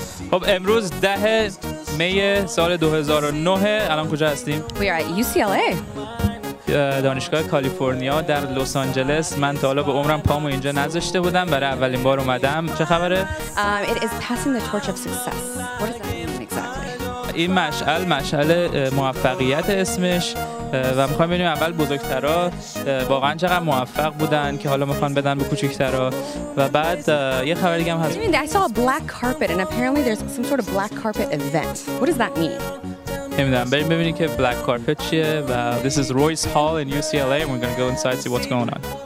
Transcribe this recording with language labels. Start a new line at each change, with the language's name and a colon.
Persian: خب امروز 10 می 2009 الان کجا هستیم؟
English: We are at UCLA.
Persian: دانشگاه کالیفرنیا در لس آنجلس. من تا حالا به عمرم پامو اینجا نذاشته بودم، برای اولین بار اومدم. چه خبره؟
English: It is passing the torch of success. What does that mean exactly?
Persian: این مشعل، مشعل موفقیت اسمش، و میخوام ببینیم اول بزرگترا واقعا چقدر موفق بودن که حالا میخوان بدن به کوچیکترا، و بعد یه خبر دیگه هم هست.
English: I saw a black carpet and apparently there's some sort of black carpet event. What does that mean?
Persian: نمیدونم، بریم ببینیم که بلک کارپت چیه.
English: و this is Royce Hall in UCLA and we're gonna go inside see what's going on.